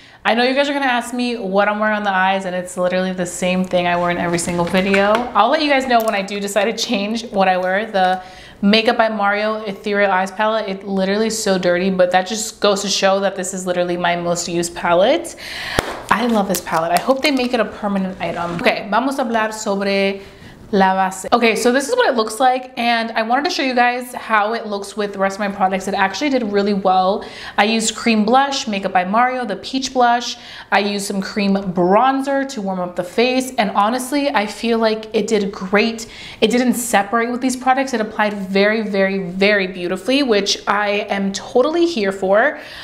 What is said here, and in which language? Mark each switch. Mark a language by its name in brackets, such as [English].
[English] I know you guys are gonna ask me what I'm wearing on the eyes and it's literally the same thing I wear in every single video. I'll let you guys know when I do decide to change what I wear. The Makeup by Mario Ethereal Eyes Palette. It literally is so dirty, but that just goes to show that this is literally my most used palette. I love this palette. I hope they make it a permanent item. [Spanish] Okay, vamos a hablar sobre la base. [English] Okay, so this is what it looks like, and I wanted to show you guys how it looks with the rest of my products. It actually did really well. I used cream blush, Makeup by Mario, the peach blush. I used some cream bronzer to warm up the face, and honestly, I feel like it did great. It didn't separate with these products. It applied very, very, very beautifully, which I am totally here for.